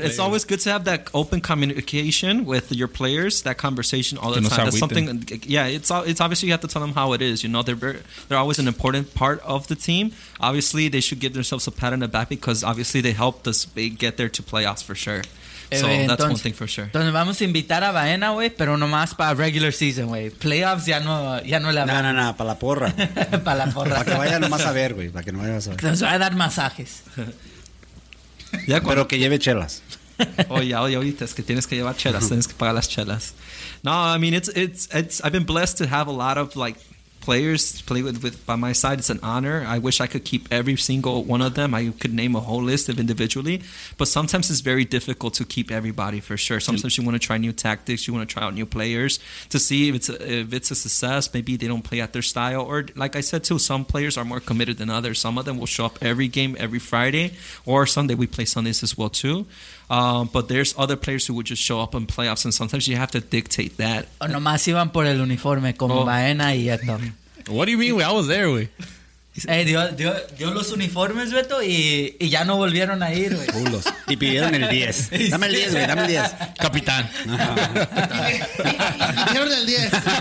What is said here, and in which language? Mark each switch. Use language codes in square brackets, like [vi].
[en] It's always good to have that open communication with your players. That conversation all the time. That's something. Yeah, it's obviously you have to tell them how it is. You know, they're always an important part of the team. Obviously, they should give themselves a pat on the back because obviously they helped us get there to playoffs for sure. that's one thing for sure. [es] Entonces vamos a invitar a Baena, güey, pero nomás para regular season, güey. Playoffs ya no la vamos. No, para la porra. Para la porra. Para que vaya nomás a ver, güey, para que no vaya a saber. Nos va a dar masajes. ¿Ya pero que lleve chelas. Oye, es que tienes que llevar chelas, tienes que pagar las chelas. [en] No, I mean, it's I've been blessed to have a lot of, like, players play with by my side. It's an honor. I wish I could keep every single one of them. I could name a whole list of individually, but sometimes it's very difficult to keep everybody for sure. Sometimes you want to try new tactics, you want to try out new players to see if it's a success. Maybe they don't play at their style, or like I said too, some players are more committed than others. Some of them will show up every game every Friday or Sunday. We play Sundays as well too. But there's other players who would just show up in playoffs, and sometimes you have to dictate that. [es] O nomás iban por el uniforme como Baena y Beto. [en] What do you mean? I was there, güey. [es] Hey, dio los uniformes, Beto, y ya no volvieron a ir, güey. Pulos. Y pidieron el 10. Dame el 10, güey, dame el 10. Capitán. Pidieron el 10.